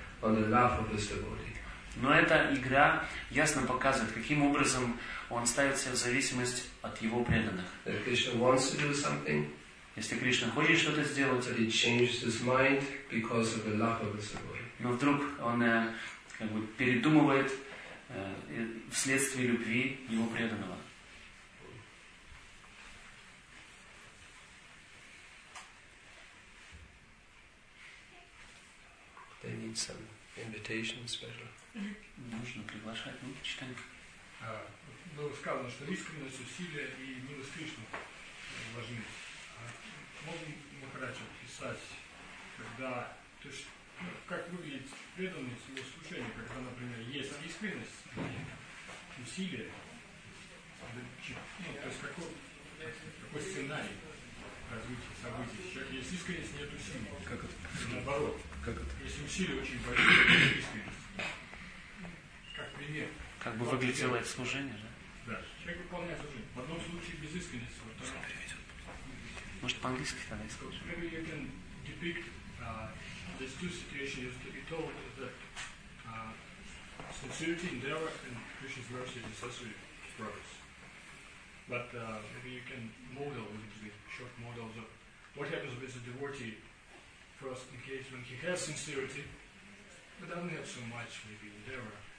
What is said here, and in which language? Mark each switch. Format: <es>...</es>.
<en>on the love of this devotee.</en> <ru>Но эта игра ясно показывает, каким образом он ставит себя в зависимость от его преданных.</ru> <en>If Krishna wants to do something,</en> <ru>если Кришна хочет что-то сделать,</ru> <en>he changes his mind because of the love of this devotee.</en> <ru>Но вдруг он как бы передумывает вследствие любви его преданного.</ru> <en>They need some invitation special.</en> <ru>Нужно приглашать, ну, читаем. Было сказано, что искренность, усилия и милость Кришны важны. Можно Махараджа писать, когда, то есть, ну, как выглядит преданность его служения, когда, например, есть искренность, усилия, ну, то есть, какой сценарий развития событий? Человек есть искренность, нет усилий. Как это? Наоборот. Как это? Если усилия очень большие, то есть искренность. Как пример. Как бы выглядело это служение, да? Да. Человек выполняет служение. В одном случае без искренности. Вот так. Может, по-английски тогда и скажу.</ru> <en>Maybe you can depict these two situations to be told that sincerity, endeavor, and Krishna's mercy is necessary for us. But maybe you can model with short models of what happens with the devotee first in case when he has sincerity, but doesn't have so much maybe endeavor.</en>